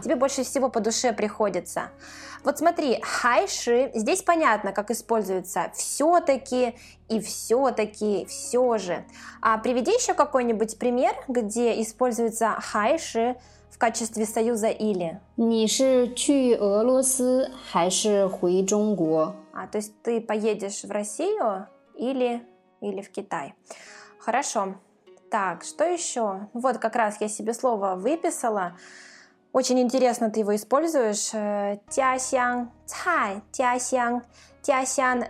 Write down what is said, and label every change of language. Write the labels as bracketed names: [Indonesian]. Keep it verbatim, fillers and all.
[Russian] тебе больше всего по душе приходится. Вот смотри, хайши, здесь понятно, как используется все-таки и все-таки, все же. А приведи еще какой-нибудь пример, где используется хайши в качестве союза или. [Chinese] 你是去俄罗斯还是回中国？ [Russian] А, то есть ты поедешь в Россию или, или в Китай. Хорошо. Так, что еще? Вот как раз я себе слово выписала. Очень интересно ты его используешь. Тясян цай, тясян, тясян.